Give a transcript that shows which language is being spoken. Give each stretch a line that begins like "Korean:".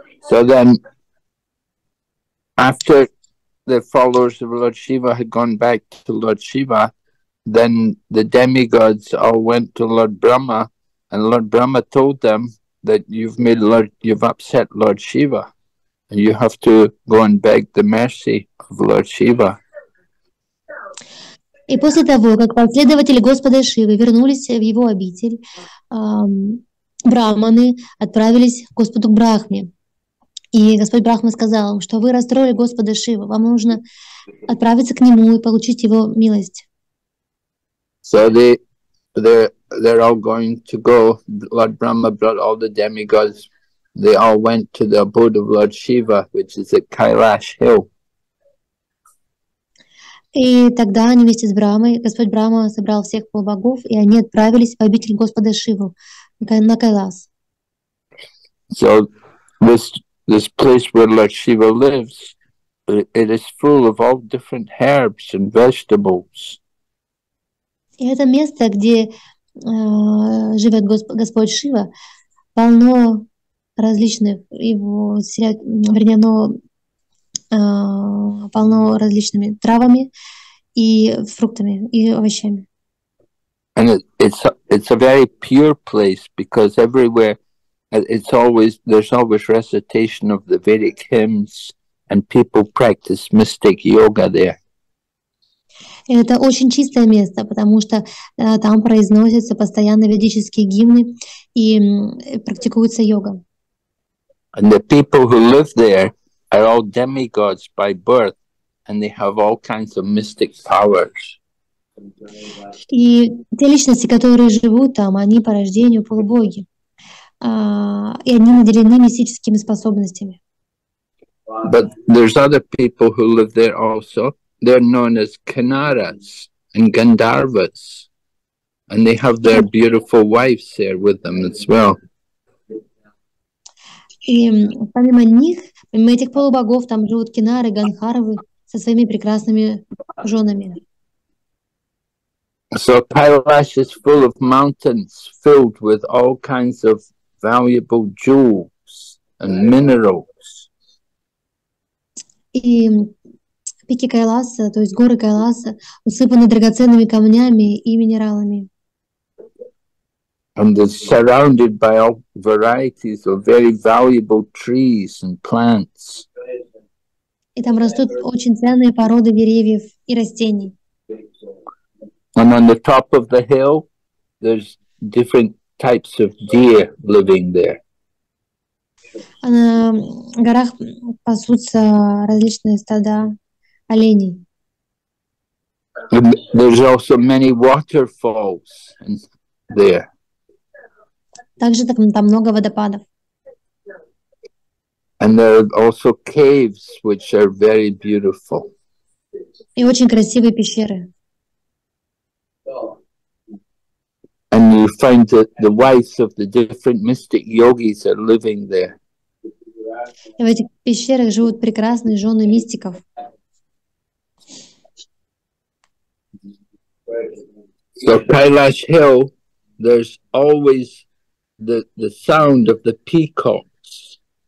English: So then, after the followers of Lord Shiva had gone back to Lord Shiva, then the demigods all went to Lord Brahma, and Lord Brahma told them that you've upset Lord Shiva, and you have to go and beg the mercy of Lord Shiva.
Russian: И после того, как последователи Господа Шивы вернулись в его обитель, браманы отправились к Господу Брахме. И Господь Брахма сказал им, что вы расстроили Господа Шиву, вам нужно отправиться к нему и получить его милость.
English: So they're all going to go. Lord Brahma brought all the demigods. They all went to the abode of Lord Shiva, which is at Kailash Hill.
Russian: И тогда они вместе с Брахмой, Господь Брахма собрал всех полубогов, и они отправились в обитель Господа Шиву на Кайлас.
English: So this place where Lord Shiva lives, it is full of all different herbs and vegetables.
Russian: И это место, где живет Господь Шива, полно различных его, вернее, но полно различными травами и фруктами и овощами.
English: And it's a very pure place because everywhere there's always recitation of the Vedic hymns and people practice mystic yoga there.
Russian: Это очень чистое место, потому что там произносятся постоянно ведические гимны и практикуется йога.
English: And the people who live there are all demigods by birth, and they have all kinds of mystic powers.
Russian: И те личности, которые живут там, они по рождению полубоги, и они наделены мистическими способностями.
English: But there's other people who live there also. They're known as Kanaras and Gandharvas, and they have their beautiful wives there with them as well.
Russian: И помимо них, помимо этих полубогов, там живут Кинары, Ганхарвы со своими прекрасными женами.
English: So Kailash is full of mountains, filled with all kinds of valuable jewels and minerals.
Russian: И пики Кайласа, то есть горы Кайласа, усыпаны драгоценными камнями и минералами.
English: And they're surrounded by all varieties of very valuable trees and plants.
Russian: И там растут очень ценные породы деревьев и растений.
English: And on the top of the hill, there's different types of deer living there.
Russian: На горах пасутся различные стада оленей.
English: And there's also many waterfalls there.
Russian: Также там много водопадов.
English: And there are also caves, which are very beautiful.
Russian: И очень красивые пещеры.
English: And you find that the wives of the different mystic yogis are living there.
Russian: И в этих пещерах живут прекрасные жены мистиков.
English: So Kailash Hill, there's always the sound of the peacocks.